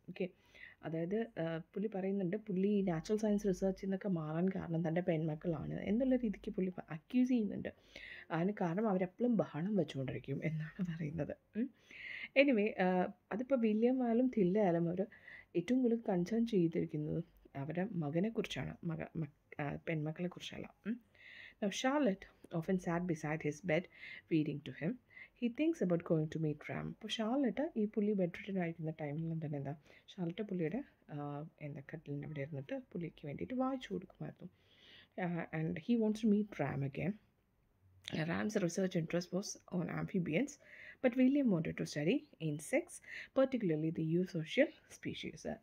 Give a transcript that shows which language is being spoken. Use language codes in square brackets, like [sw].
[ml] Okay, അതായത് പുള്ളി പറയുന്നുണ്ട് പുള്ളി നാച്ചുറൽ സയൻസ് റിസർച്ചിൽ നിന്നൊക്കെ മാറാൻ കാരണം തൻ്റെ പെൺമക്കളാണ് എന്നുള്ള രീതിക്ക് പുള്ളി അക്യൂസ് ചെയ്യുന്നുണ്ട്. അതിന് കാരണം അവരെപ്പോഴും ബഹളം വെച്ചുകൊണ്ടിരിക്കും എന്നാണ് പറയുന്നത്. എനിവേ, അതിപ്പോൾ വില്യം ആയാലും തില്ല ആയാലും അവർ ഏറ്റവും കൂടുതൽ കൺസേൺ ചെയ്തിരിക്കുന്നത് അവരുടെ മകനെക്കുറിച്ചാണ്, പെൺമക്കളെക്കുറിച്ചല്ല. [en] Now Charlotte often sat beside his bed reading to him. He thinks about going to meet Ram. [ml] അപ്പോൾ ഷാർലറ്റ് ഈ പുള്ളി ബെഡ്റിഡൻ ആയിരിക്കുന്ന ടൈമിലും തന്നെ എന്താ ഷാർലറ്റ് പുള്ളിയുടെ എന്താ കട്ടിലിൻ്റെ അവിടെ ഇരുന്നിട്ട് പുള്ളിക്ക് വേണ്ടിയിട്ട് വായിച്ചു കൊടുക്കുമായിരുന്നു. [en] And he wants to meet Ram again. Ram's research interest was on amphibians but William wanted to study insects particularly the eusocial species.